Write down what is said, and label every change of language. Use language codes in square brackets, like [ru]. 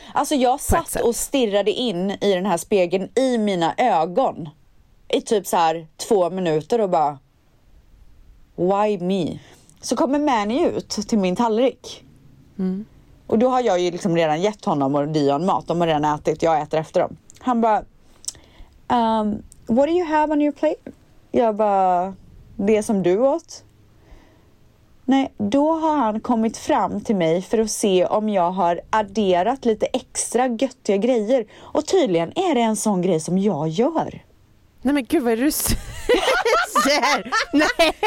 [sv] Alltså jag satt och stirrade in i den här spegeln i mina ögon. I typ så här 2 minuter och bara, [en] why me? [sv] Så kommer Manny ut till min tallrik. Mm. Och då har jag ju liksom redan gett honom och Dion mat. De har redan ätit, jag äter efter dem. Han bara, [en] what do you have on your plate? [sv] Jag bara, det som du åt. Nej, då har han kommit fram till mig för att se om jag har adderat lite extra göttiga grejer. Och tydligen är det en sån grej som jag gör. Nej men gud, vad är det du säger? Nej.